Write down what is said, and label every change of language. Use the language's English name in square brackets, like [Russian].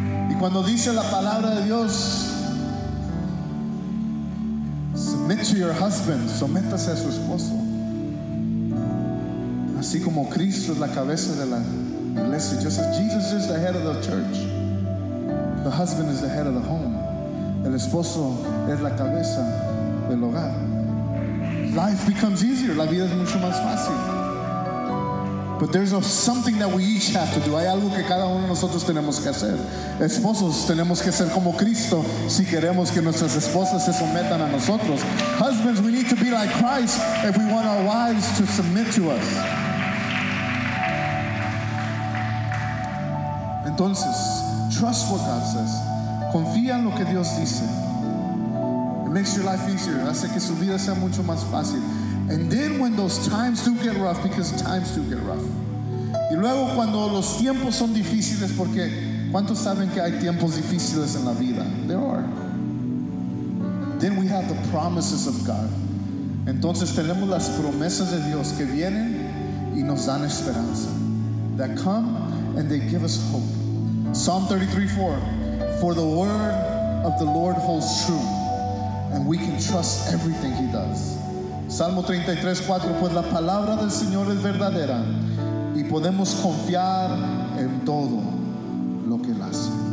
[Spanish] Y cuando dice la palabra de Dios, [English] submit to your husband, [Spanish] sométase a su esposo. Así como Cristo es la cabeza de la iglesia. [English] Just as Jesus is the head of the church, the husband is the head of the home. [Spanish] El esposo es la cabeza del hogar. [English] Life becomes easier. [Spanish] La vida es mucho más fácil. [English] But there's something that we each have to do. [Spanish] Hay algo que cada uno de nosotros tenemos que hacer. Esposos, tenemos que ser como Cristo si queremos que nuestras esposas se sometan a nosotros. [English] Husbands, we need to be like Christ if we want our wives to submit to us. Entonces, trust what God says. [Spanish] Confía en lo que Dios dice. [English] It makes your life easier. [Spanish] Hace que su vida sea mucho más fácil. [English] And then when those times do get rough, because times do get rough. [Spanish] Y luego cuando los tiempos son difíciles, porque ¿cuántos saben que hay tiempos difíciles en la vida? [English] There are. Then we have the promises of God. [Spanish] Entonces tenemos las promesas de Dios que vienen y nos dan esperanza. [English] That come and they give us hope. Psalm 33:4. For the word of the Lord holds true, and we can trust everything He does. [Spanish] Salmo 33:4, pues la palabra del Señor es verdadera y podemos confiar en todo lo que Él hace.